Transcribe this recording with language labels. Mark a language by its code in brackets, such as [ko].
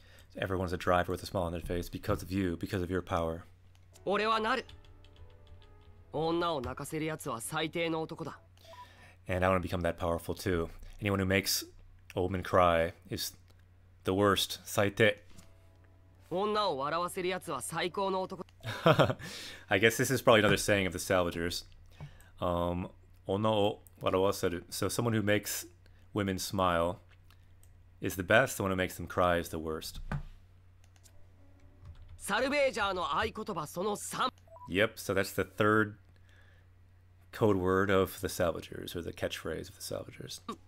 [en] So everyone's a driver with a smile on their face because of you, because of your power. [ja] Ore wa naru. Onna wo nakaseru yatsu wa saitei no otoku da. [en] And I want to become that powerful too. Anyone who makes a woman cry is the worst. [ja] Saitei. 女を笑わせる奴は最高の男。 [en] I guess this is probably another saying of the salvagers. [ja] 女を笑わせる. [en] So someone who makes women smile is the best. The one who makes them cry is the worst. [ja] サルベージャーの合言葉その3. [en] Yep, so that's the third code word of the Salvagers, or the catchphrase of the Salvagers.